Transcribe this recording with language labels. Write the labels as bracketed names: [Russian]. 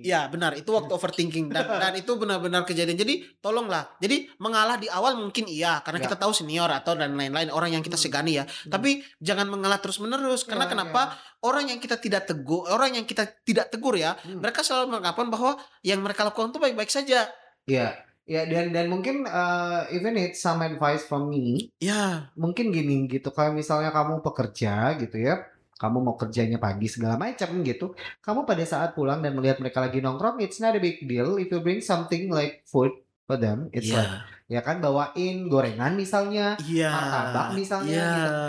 [Indonesian] Ya benar, itu waktu overthinking. Dan itu benar-benar kejadian. Jadi tolonglah. Jadi mengalah di awal mungkin iya, karena kita tahu senior atau dan lain-lain, orang yang kita segani ya. Tapi jangan mengalah terus-menerus. Karena orang yang kita tidak tegur, orang yang kita tidak tegur ya, mereka selalu mengatakan bahwa yang mereka lakukan itu baik-baik saja. Iya. Ya, dan mungkin [English] even it's some advice from me. [Indonesian] Ya. Mungkin gini gitu. Kalau misalnya kamu pekerja gitu ya, kamu mau kerjanya pagi segala macam gitu, kamu pada saat pulang dan melihat mereka lagi nongkrong, [English] it's not a big deal. If you bring something like food for them, it's like, [Indonesian] ya kan, bawain gorengan misalnya, martabak misalnya, gitu.